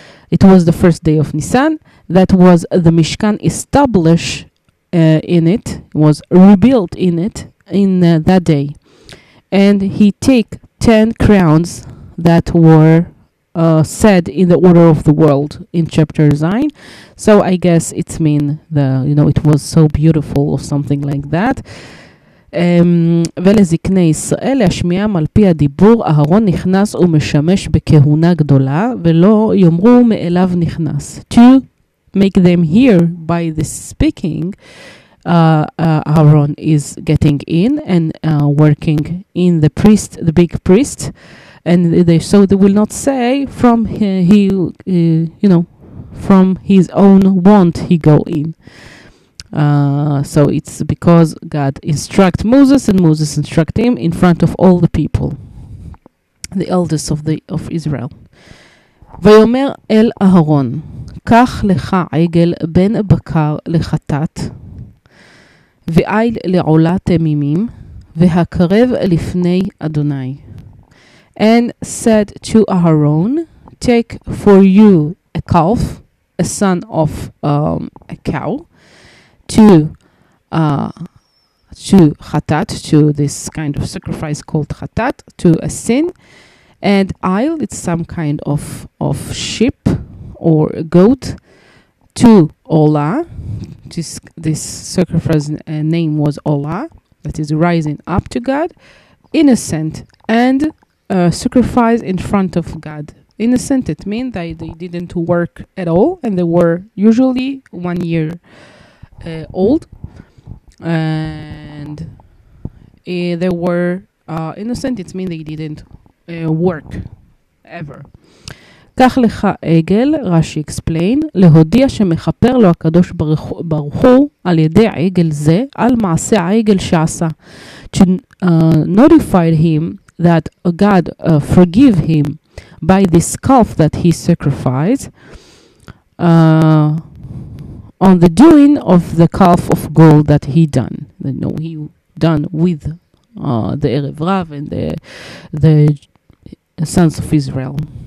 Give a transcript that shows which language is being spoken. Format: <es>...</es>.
<en>It was the first day of Nissan. That was the Mishkan established in it, was rebuilt in it, in that day. And he took 10 crowns that were said in the order of the world in chapter Zion. So I guess it's mean the, you know, it was so beautiful or something like that.</en> <he>ולזקני ישראל להשמיעם על פי הדיבור, אהרון נכנס ומשמש בכהונה גדולה, ולא יאמרו מאליו נכנס.</he> <en>To make them hear by the speaking, Aaron is getting in and working in the priest, the big priest, and they, so they will not say from he you know, from his own want he go in. So it's because God instruct Moses, and Moses instruct him in front of all the people, the elders of the of Israel.</en> <he>ויאמר אל אהרון, קח לך עגל בן בקר לחטאת, ועיל לעולה תמימים, והקרב לפני אדוני.</he> <en>And said to Aaron, take for you a calf, a son of a cow, to chatat, to this kind of sacrifice called chatat, to a sin, and ail, it's some kind of sheep or a goat, to Ola, this sacrifice name was Ola, that is rising up to God, innocent, and sacrifice in front of God. Innocent, it means that they didn't work at all, and they were usually 1 year old, and they were innocent, it means they didn't work ever.</en> <he>קח לך עגל, רשי</he> <en>אקספלין,</en> <he>להודיע שמחפר לו הקדוש ברוך הוא על ידי עגל זה, על מעשה העגל שעשה.</he> <en>To notify him that God forgive him by this calf that he sacrificed, on the doing of the calf of gold that he done. You know, he done with the Erev Rav and the sons of Israel.</en>